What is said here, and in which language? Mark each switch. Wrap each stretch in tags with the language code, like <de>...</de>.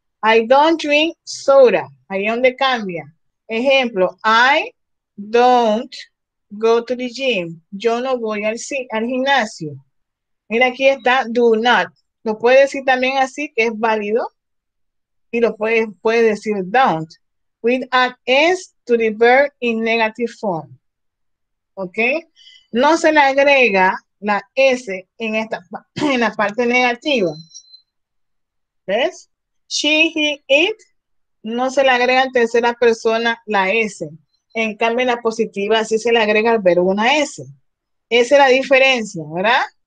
<en>I don't drink soda.</en> <es>Ahí es donde cambia. Ejemplo,</es> <en>I don't go to the gym.</en> <es>Yo no voy al gimnasio. Mira, aquí está do not. Lo puedes decir también así, que es válido. Y lo puedes decir don't.</es> <en>We add S to the verb in negative form.</en> <es>¿Ok? No se le agrega la S en la parte negativa. ¿Ves? She, he, it. No se le agrega en tercera persona la S. En cambio, en la positiva sí se le agrega al verbo una S. Esa es la diferencia, ¿verdad?</es>